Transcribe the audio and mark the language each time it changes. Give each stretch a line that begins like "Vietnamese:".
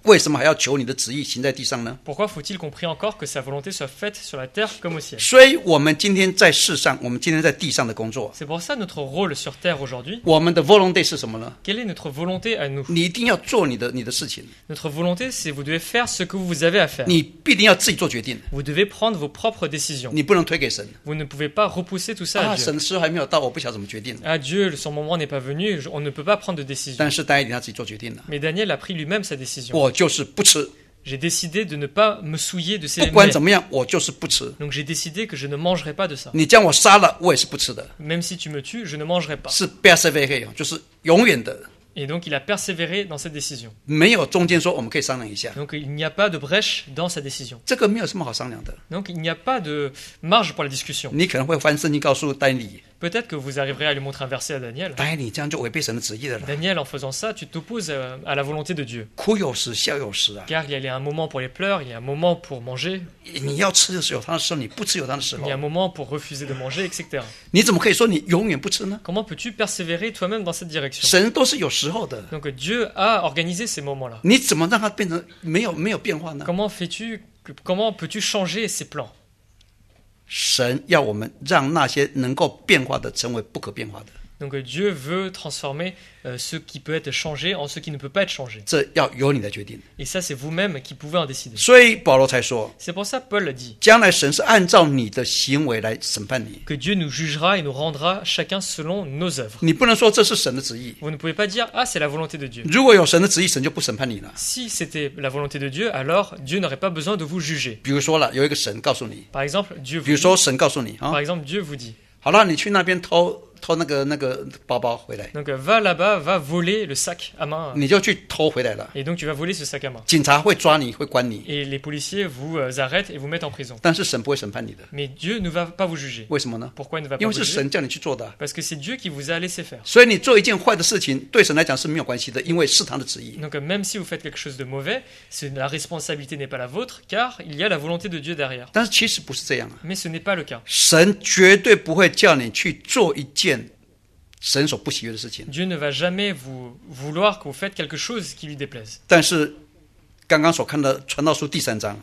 Chinese: 为什么还要求你的旨意行在地上呢
French: Pourquoi faut-il qu'on prie encore que sa volonté soit faite sur la terre comme au ciel
Chinese: 所以我们今天在世上我们今天在地上的工作
French: C'est pour ça notre rôle sur terre aujourd'hui
Chinese: 我们的 volonté 是什么呢
French: Quelle est notre volonté à nous
Chinese: 你一定要做你的事情
French: Notre volonté c'est vous devez faire ce que vous avez à faire
Chinese: 你必定要自己做决定
French: Vous devez prendre vos propres décisions
Chinese: 你不能推给神
French: Vous ne pouvez pas repousser tout ça à Dieu
Chinese: 神的事还没有到，我不晓得怎么决定。
French: 啊 ，Dieu, son moment n'est pas venu, on ne peut pas prendre de décision.
Chinese: 但是丹尼尔他自己做决定了。
French: Mais Daniel a pris lui-même sa décision.
Chinese: 我就是不吃。
French: J'ai décidé de ne pas me souiller de ces mets.
Chinese: 不管怎么样，我就是不吃。
French: Donc j'ai décidé que je ne mangerai pas de ça.
Chinese: 你将我杀了，我也是不吃的。
French: Même si tu me tues, je ne mangerai pas.
Chinese: 是 persévéré, 就是永远的。
French: Et donc il a persévéré dans cette décision.
Chinese: 没有中间说我们可以商量一下。
French: Donc il n'y a pas de brèche dans sa décision.
Chinese: 这个没有什么好商量的。
French: Donc il n'y a pas de marge pour la discussion.
Chinese: 你可能会翻圣经告诉丹尼。
French: Peut-être que vous arriverez à lui montrer un verset à Daniel.
Chinese: 丹尼这样就违背神的旨意了。
French: Daniel, en faisant ça, tu t'opposes à la volonté de Dieu.
Chinese: 哭有时，笑有时啊。
French: Car il y a un moment pour les pleurs, il y a un moment pour manger.
Chinese: 你要吃的时候，他的时候，你不吃有他的时候。
French: Il y a un moment pour refuser de manger, etc.
Chinese: 你怎么可以说你永远不吃呢？
French: Comment peux-tu persévérer toi-même dans cette direction?
Chinese: 神都是有时候的。
French: Donc Dieu a organisé ces moments-là.
Chinese: 你怎么让它变成没有变化呢？
French: Comment peux-tu changer ces plans?
Chinese: 神要我们让那些能够变化的成为不可变化的。
French: Donc Dieu veut transformer ce qui peut être changé en ce qui ne peut pas être changé.
Chinese: 这要由你来决定。
French: Et ça, c'est vous-même qui pouvez en décider.
Chinese: 所以保罗才说。
French: C'est pour ça Paul l'a dit.
Chinese: 将来神是按照你的行为来审判你。
French: Que Dieu nous jugera et nous rendra chacun selon nos œuvres.
Chinese: 你不能说这是神的旨意。
French: Vous ne pouvez pas dire, ah, c'est la volonté de Dieu.
Chinese: 如果有神的旨意，神就不审判你了。
French: Si c'était la volonté de Dieu, alors Dieu n'aurait pas besoin de vous juger.
Chinese: 比如说了，有一个神告诉你。
French: Par exemple, Dieu.
Chinese: 比如说神告诉你。
French: Par exemple, Dieu vous dit.
Chinese: 好了，你去那边偷那个包包回来。
French: Donc va là-bas, va voler le sac à main.
Chinese: 你就去偷回来了。
French: Et donc tu vas voler ce sac à main.
Chinese: 警察会抓你，会关你。
French: Et les policiers vous arrêtent et vous mettent en prison.
Chinese: 但是神不会审判你的。
French: Mais Dieu ne va pas vous juger.
Chinese: 为什么呢？
French: Pourquoi il ne va pas vous juger?
Chinese: 因为是神叫你去做的。
French: Parce que c'est Dieu qui vous a laissé faire.
Chinese: 所以你做一件坏的事情，对神来讲是没有关系的，因为是他的旨意。
French: Donc même si vous faites quelque chose de mauvais, la responsabilité n'est pas la vôtre, car il y a la volonté de Dieu derrière.
Chinese: 但是其实不是这样啊。
French: Mais ce n'est pas le cas.
Chinese: 神绝对不会叫你去做一件神所不喜悦的事情。
French: Dieu ne va jamais vous vouloir que vous faites quelque chose qui lui déplaise.
Chinese: 但是刚刚所看的传道书第三章。